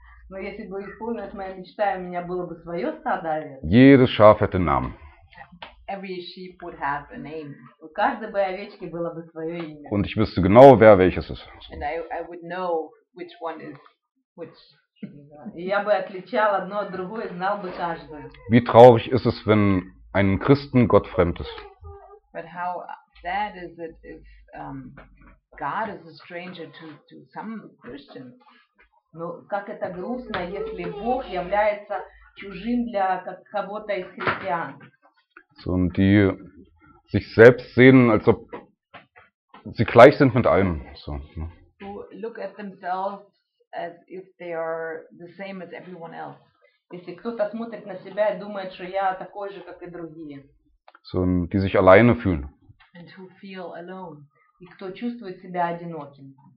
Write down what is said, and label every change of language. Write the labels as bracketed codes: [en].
[ru] Но если бы исполнилась моя мечта, у меня было бы свое стадо овец. [de] Jedes Schaf hätte einen Namen. [en] Every sheep would have a name. [ru] У каждой бы овечки было бы свое имя. [de] Und ich wüsste genau, wer welches ist. [en] And I would know which one is which. [ru] Я бы отличал одно от другого, знал бы каждую. [de] Wie traurig ist es, wenn einem Christen Gott fremd ist? [en] But how sad is it if God is a stranger to some Christian? [ru] Но как это грустно, если Бог является чужим для кого-то из христиан. [de] So, und die sich selbst sehen, als ob sie gleich sind mit allem. So, ne? [en] Who look at themselves as if they are the same as everyone else. [ru] Если кто-то смотрит на себя и думает, что я такой же, как и другие. [de] So, und die sich alleine fühlen. [en] And who feel alone. [ru] И кто чувствует себя одиноким.